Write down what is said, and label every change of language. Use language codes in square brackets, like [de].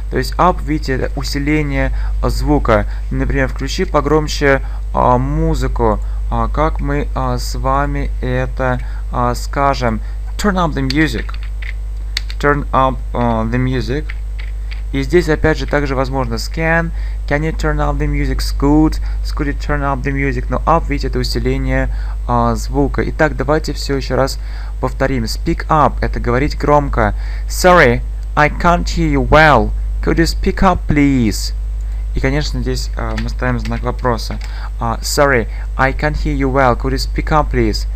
[ru] То есть up, видите, это усиление звука. Например, включи погромче музыку. Как мы с вами это скажем? [en] Turn up the music. Turn up the music. [ru] И здесь опять же также возможно scan. [en] Can you turn up the music? Could. Could you turn up the music? [ru] Но up, видите, это усиление звука. Итак, давайте все еще раз повторим. [en] Speak up. [ru] Это говорить громко. [en] Sorry, I can't hear you well. Could you speak up, please? [ru] И, конечно, здесь мы ставим знак вопроса. [en] Sorry, I can't hear you well. Could you speak up, please?